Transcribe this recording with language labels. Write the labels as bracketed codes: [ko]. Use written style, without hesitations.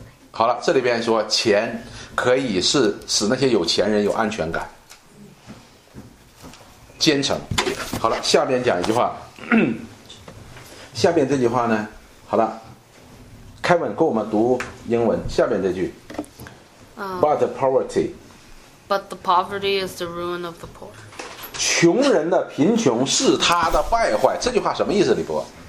[zh] 好了，这里边说钱可以是使那些有钱人有安全感，奸臣。好了，下边讲一句话，下边这句话呢，好了，凯文跟我们读英文下边这句。 [en] But the poverty. But the poverty is the ruin of the poor. [zh] 穷人的贫穷是他的败坏。这句话什么意思，李波？